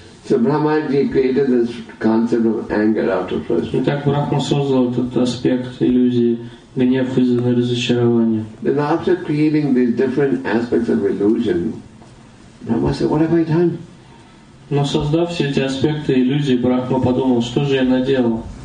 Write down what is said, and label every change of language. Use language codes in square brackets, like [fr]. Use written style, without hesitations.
[en] So Brahmaji created this concept of anger after frustration. [ru] Итак, Брахма создал этот аспект иллюзии гнев из-за разочарования. [en] Then after creating these different aspects of illusion, Brahma said, "What have I done?" [ru] Но создав все эти аспекты иллюзии, Брахма подумал, что же я наделал.